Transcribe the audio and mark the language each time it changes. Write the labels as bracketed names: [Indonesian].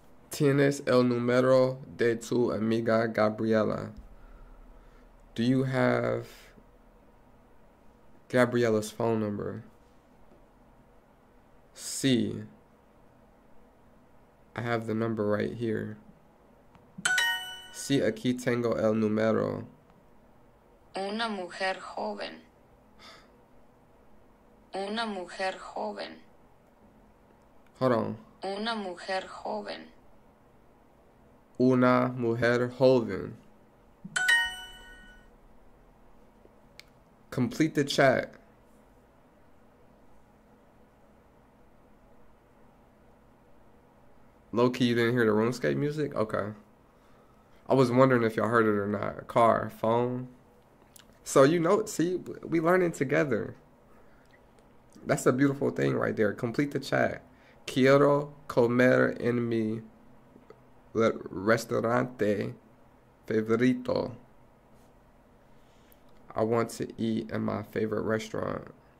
[Spanish] Tienes el número de tu amiga Gabriela. [English] Do you have Gabriela's phone number? [Spanish] Sí. [English] I have the number right here. [Spanish] Sí, aquí tengo el número. Una mujer joven. Una mujer joven. [English] Hold on. [Spanish] Una mujer joven. Una mujer joven. [English] Complete the chat. Low key, you didn't hear the RuneScape music? Okay. I was wondering if y'all heard it or not. Car, phone. So, you know, see, we learning together. That's a beautiful thing right there. Complete the chat. [Spanish] Quiero comer en mi restaurante favorito. [English] I want to eat in my favorite restaurant.